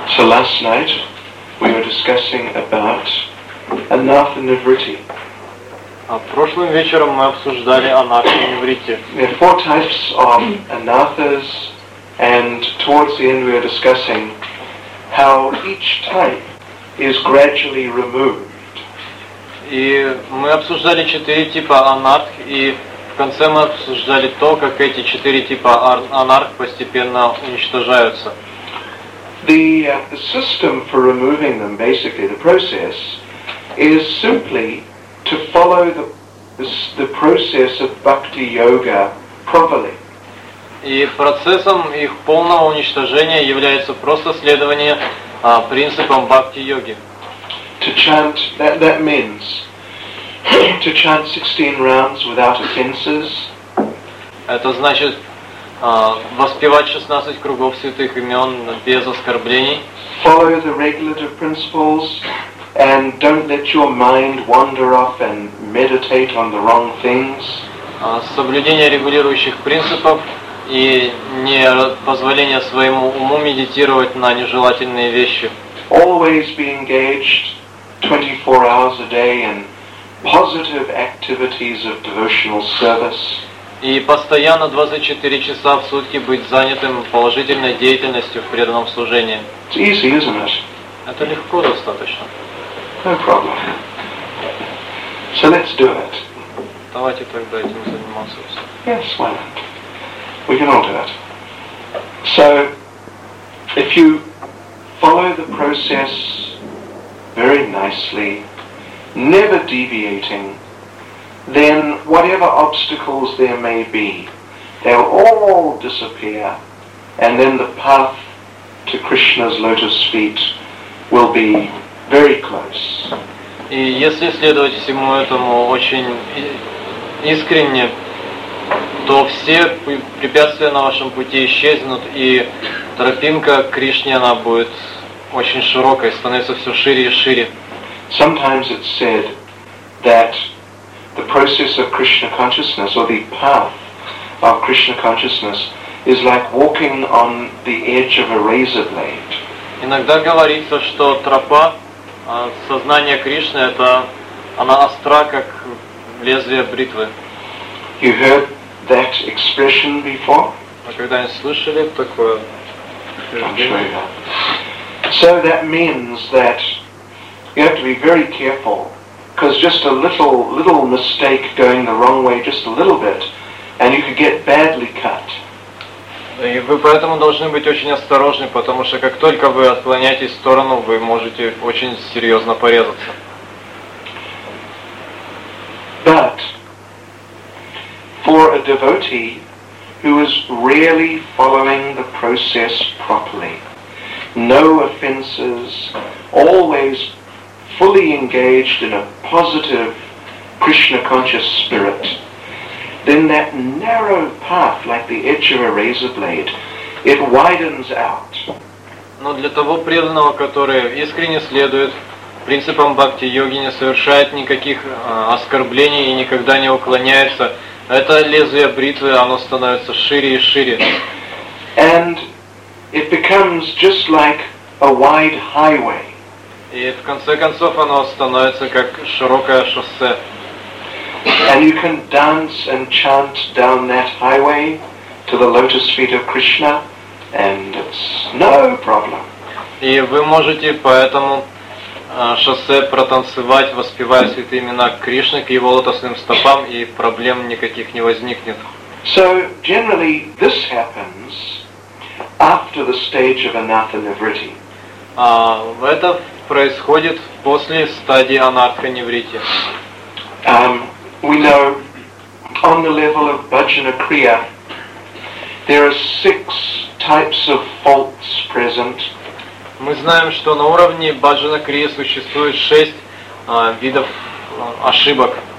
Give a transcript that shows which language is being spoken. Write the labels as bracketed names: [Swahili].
[English] So last night, we were discussing about Anatha Nivriti. [Russian] А прошлым вечером мы обсуждали Анатхи Нивритти. [English] There are four types of Anathas, and towards the end we are discussing how each type is gradually removed. [Russian] И мы обсуждали четыре типа Анатх, и в конце мы обсуждали то, как эти четыре типа Анатх постепенно уничтожаются. [English] The system for removing them, basically the process, is simply to follow the process of bhakti yoga properly. [Russian] И процессом их полного уничтожения является просто следование принципам бхакти йоги. [English] To chant that means to chant 16 rounds without offenses. [Russian] Это значит воспевать 16 кругов святых имен без оскорблений. [English] Follow the regulative principles. And don't let your mind wander off and meditate on the wrong things. [Russian] Соблюдение регулирующих принципов и не позволение своему уму медитировать на нежелательные вещи. [English] Always be engaged 24 hours a day in positive activities of devotional service. [Russian] И постоянно 24 часа в сутки быть занятым положительной деятельностью в преданном служении. [English] It's easy, isn't it? [Russian] Это легко достаточно. [English] No problem. So let's do it. [Russian] Давайте тогда этим заниматься. [English] Yes, why not? We can all do it. So, if you follow the process very nicely, never deviating, then whatever obstacles there may be, they'll all disappear, and then the path to Krishna's lotus feet will be very close. [Russian] И если следовать всему этому очень искренне, то все препятствия на вашем пути исчезнут, и тропинка к Кришне, она будет очень широкой, становится все шире и шире. [English] Sometimes it's said that the process of Krishna consciousness, or the path of Krishna consciousness, is like walking on the edge of a razor blade. [Russian] Иногда говорится, что тропа сознание Кришны — это она остра, как лезвие бритвы. [English] You heard that expression before? [Russian] Вы когда-нибудь слышали такое? [English] So that means that you have to be very careful, because just a little mistake going the wrong way, just a little bit, and you could get badly cut. [Russian] И вы поэтому должны быть очень осторожны, потому что как только вы отклоняетесь в сторону, вы можете очень серьезно порезаться. [English] But for a devotee who is really following the process properly, no offenses, always fully engaged in a positive Krishna conscious spirit, then that narrow path, like the edge of a razor blade, it widens out. [Russian] Но для того преданного, который искренне следует принципам бхакти-йоги, не совершает никаких оскорблений и никогда не уклоняется, это лезвие бритвы, оно становится шире и шире. [English] And it becomes just like a wide highway. [Russian] И в конце концов оно становится как широкое шоссе. [English] And you can dance and chant down that highway to the lotus feet of Krishna, and it's no problem. [Russian] И вы можете по этому шоссе протанцевать, воспевая святые имена Кришны к его лотосным стопам, и проблем никаких не возникнет. [English] So generally this happens after the stage of Anatha Nivriti. [Russian] Это происходит после стадии Анатха Нивритти. [English] We know on the level of bhajana kriya there are six types of faults present. [Russian] Мы знаем, что на уровне bhajana kriya существует шесть видов ошибок.